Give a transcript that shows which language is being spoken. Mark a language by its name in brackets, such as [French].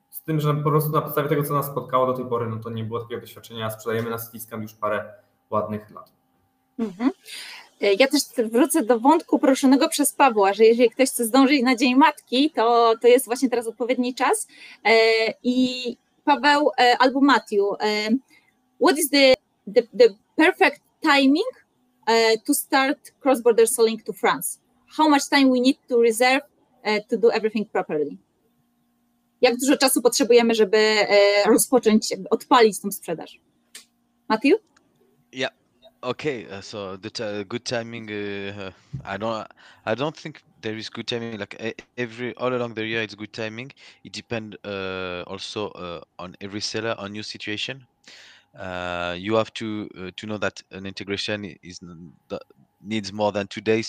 [Polish] Z tym, że po prostu na podstawie tego, co nas spotkało do tej pory, no to nie było takiego doświadczenia, sprzedajemy na CDiscount już parę ładnych lat. Mm-hmm. Ja też wrócę do wątku poruszonego przez Pawła, że jeżeli ktoś chce zdążyć na Dzień Matki, to jest właśnie teraz odpowiedni czas. I Paweł albo Matthew, [English] what is the perfect timing to start cross-border selling to France? How much time we need to reserve to do everything properly? [Polish] Jak dużo czasu potrzebujemy, żeby rozpocząć, odpalić tą sprzedaż? [English] Matthew? Yeah. Okay, so the good timing, I don't think there is good timing. Like every all along the year, it's good timing. It depends also on every seller, on your situation. You have to know that an integration needs more than 2 days.